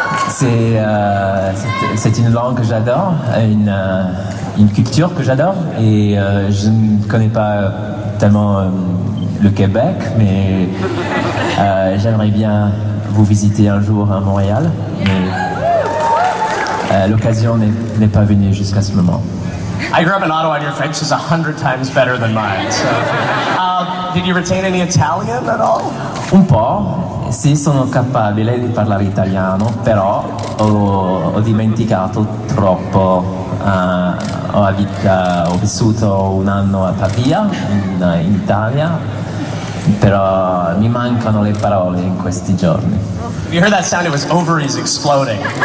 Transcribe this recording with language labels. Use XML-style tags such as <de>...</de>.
<fr>C'est une langue que j'adore, une culture que j'adore. Et je ne connais pas tellement le Québec, mais j'aimerais bien vous visiter un jour à Montréal. Mais, l'occasion n'est pas venue jusqu'à ce moment.</fr> <en>I grew up in Ottawa, and your French is 100 times better than mine. So, did you retain any Italian at all?</en> <it>Un po'. Sì, sono capabile di parlare italiano, però ho dimenticato troppo. Ho vissuto un anno a Pavia, in Italia, però mi mancano le parole in questi giorni.</it> <en>If you heard that sound, it was ovaries exploding.</en>